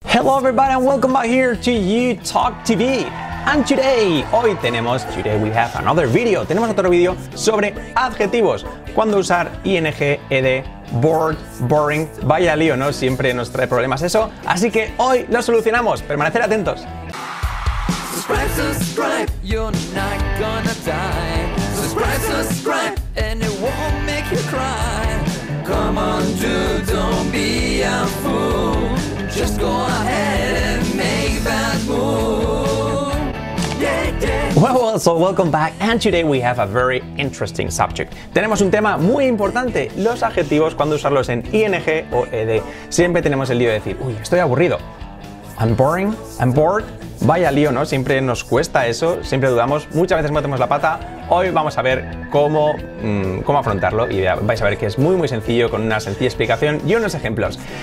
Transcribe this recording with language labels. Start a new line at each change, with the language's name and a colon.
English: Hello, everybody, and welcome back here to You Talk TV. And today, we have another video.
Spanish: Tenemos otro video sobre adjetivos. ¿Cuándo usar ing, ed, bored, boring? Vaya lío, ¿no? Siempre nos trae problemas eso. Así que hoy lo solucionamos. Permanecer atentos.
English: Subscribe, you're not gonna die. Subscribe, and it won't make you cry. Come on, dude, don't be a fool. Just go ahead and make that move. Yeah, yeah. Well, so welcome back, and today we have a very interesting subject.
Spanish: Tenemos un tema muy importante, los adjetivos, cuando usarlos en ing o ed. Siempre tenemos el lío de decir, uy, estoy aburrido.
English: I'm boring, I'm bored.
Spanish: Vaya lío, ¿no? Siempre nos cuesta eso, siempre dudamos, muchas veces metemos la pata. Hoy vamos a ver cómo afrontarlo y vais a ver que es muy muy sencillo, con una sencilla explicación y unos ejemplos.